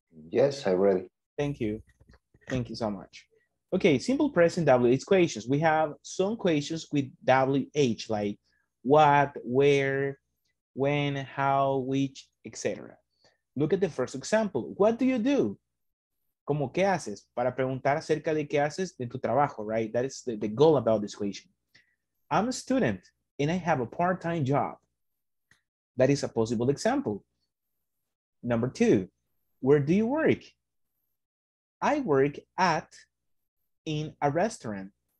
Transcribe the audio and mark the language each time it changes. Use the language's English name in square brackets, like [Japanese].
[English] Yes, I'm ready. Thank you. Thank you so much. Okay, simple present WH questions. We have some questions with WH, like what, where, when, how, which, etc. Look at the first example. What do you do? [Spanish] Como, ¿qué haces? Para preguntar acerca de qué haces de tu trabajo, right? [English] That is the goal about this question. I'm a student and I have a part-time job. That is a possible example. Number 2, where do you work? I work at, in a restaurant.